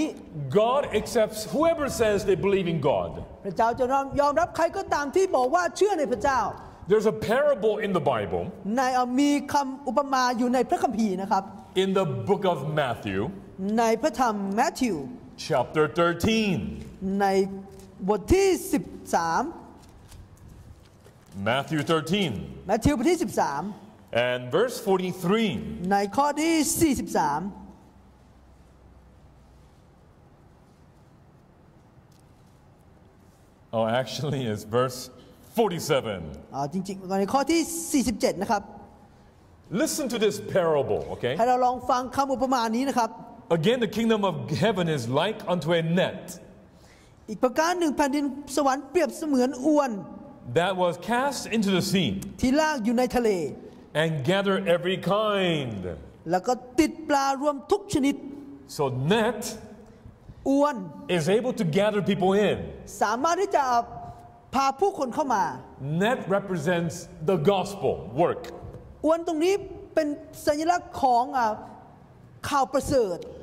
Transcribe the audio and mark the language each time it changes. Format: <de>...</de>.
<en>God accepts whoever says they believe in God.</en> <th>พระเจ้าจะยอมรับใครก็ตามที่บอกว่าเชื่อในพระเจ้า</th> <en>There's a parable in the Bible.</en> <th>ในมีคำอุปมาอยู่ในพระคัมภีร์นะครับ</th> <en>In the book of Matthew.</en> <th>ในพระธรรมแมทธิว</th> <en>chapter 13</en> <th>ในบทที่13</th> <en>Matthew 13</en> <th>Matthew บทที่13</th> <en>and verse 43</en> <th>ในข้อที่43</th> <en>Oh actually it's verse 47</en> <th>จริงๆในข้อที่47นะครับ</th> <en>Listen to this parable okay</en> <th>ให้เราลองฟังคำอุปมานี้นะครับ</th> <en>Again, the kingdom of heaven is like unto a net.</en> <th>อีกประการหนึ่งแผ่นดินสวรรค์เปรียบเสมือนอวน</th> <en>that was cast into the sea.</en> <th>ที่ลากอยู่ในทะเล</th> <en>and gather every kind.</en> <th>แล้วก็ติดปลารวมทุกชนิด</th> <en>so net</en> <th>อวน</th> <en>is able to gather people in.</en> <th>สามารถที่จะพาผู้คนเข้ามา</th> <en>net represents the gospel work.</en> <th>อวนตรงนี้เป็นสัญลักษณ์ของข่าวประเสริฐ</th>